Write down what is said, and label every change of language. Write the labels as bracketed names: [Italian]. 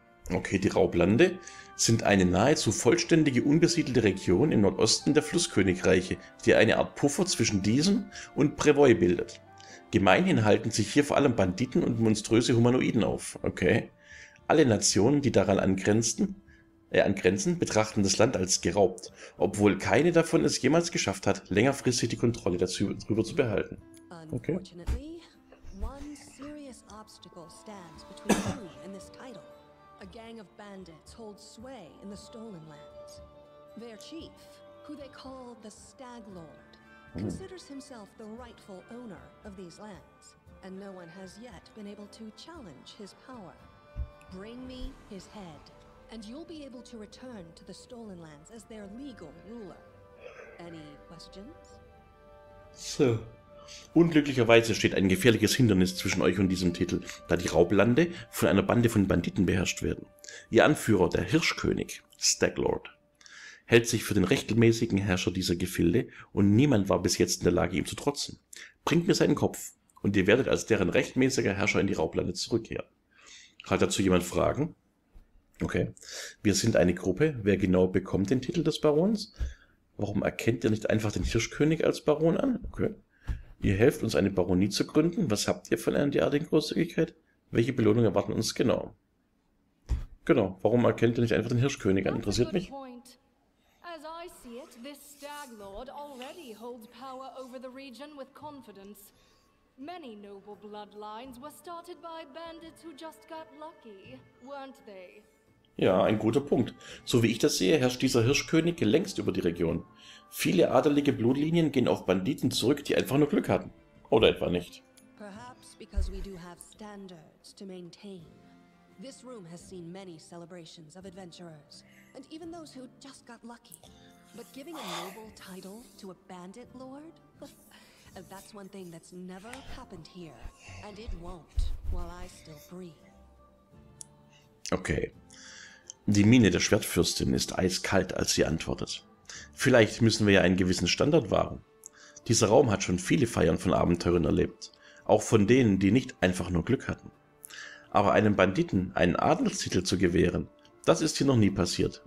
[German] Okay, die Raublande sind eine nahezu vollständige unbesiedelte Region im Nordosten der Flusskönigreiche, die eine Art Puffer zwischen diesem und Brevoy bildet. Gemeinhin halten sich hier vor allem Banditen und monströse Humanoiden auf. Okay. Alle Nationen, die daran angrenzen, betrachten das Land als geraubt, obwohl keine davon es jemals geschafft hat, längerfristig die Kontrolle darüber zu behalten. Okay. [English] Unfortunately, one serious obstacle stands between you and this title. A gang of bandits holds sway in the Stolen Lands. Their chief, who they call the Stag Lord, considers himself the rightful owner of these lands, and no one has yet been able to challenge his power. Bring me his head, and you'll be able to return to the Stolen Lands as their legal ruler. Any questions? So. [German] Unglücklicherweise steht ein gefährliches Hindernis zwischen euch und diesem Titel, da die Raublande von einer Bande von Banditen beherrscht werden. Ihr Anführer, der Hirschkönig, Staglord, hält sich für den rechtmäßigen Herrscher dieser Gefilde und niemand war bis jetzt in der Lage, ihm zu trotzen. Bringt mir seinen Kopf und ihr werdet als deren rechtmäßiger Herrscher in die Raublande zurückkehren. Hat dazu jemand Fragen? Okay. Wir sind eine Gruppe. Wer genau bekommt den Titel des Barons? Warum erkennt ihr nicht einfach den Hirschkönig als Baron an? Okay. Ihr helft uns, eine Baronie zu gründen. Was habt ihr von einer derartigen Großzügigkeit? Welche Belohnung erwarten uns genau? Genau, warum erkennt ihr nicht einfach den Hirschkönig an? Interessiert mich. [English] As I see it, this Stag Lord already holds power over the region with confidence. Many noble bloodlines were started by bandits who just got lucky, weren't they? [German] Ja, ein guter Punkt. So wie ich das sehe, herrscht dieser Hirschkönig längst über die Region. Viele adelige Blutlinien gehen auf Banditen zurück, die einfach nur Glück hatten. Oder etwa nicht. [English] Perhaps because we do have standards to maintain. This room has seen many celebrations of adventurers and even those who just got lucky. But giving a noble title to a bandit lord? That's one thing that's never happened here and it won't while I still breathe. Okay. [German] Die Miene der Schwertfürstin ist eiskalt, als sie antwortet. Vielleicht müssen wir ja einen gewissen Standard wahren. Dieser Raum hat schon viele Feiern von Abenteurern erlebt, auch von denen, die nicht einfach nur Glück hatten. Aber einem Banditen einen Adelstitel zu gewähren, das ist hier noch nie passiert.